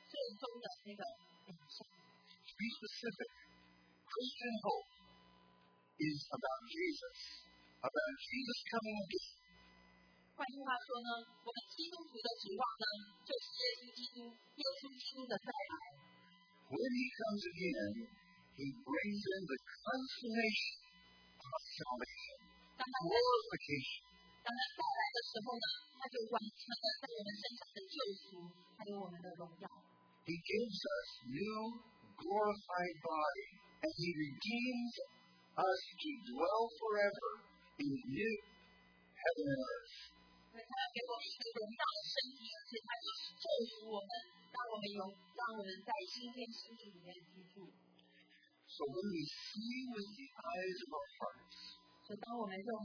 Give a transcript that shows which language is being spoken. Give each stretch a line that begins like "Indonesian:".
English: To be specific, Christian hope is about Jesus coming again.
Chinese: 换句话说呢，我们基督徒的指望呢，就是耶稣基督，耶稣基督的再来。
English: When he comes again, he brings in the consummation of salvation, glorification.
Chinese: 当他再来的时候呢，他就完成了在我们身上的救赎，还有我们的荣耀。
English: He gives us new glorified body, and he redeems us to dwell forever in new heaven and earth.
Chinese: 所以他给我们一个荣耀的身体，而且他就是祝福我们，让我们有让我们在新天新地里面居住。
English: So when we see with the eyes of our hearts.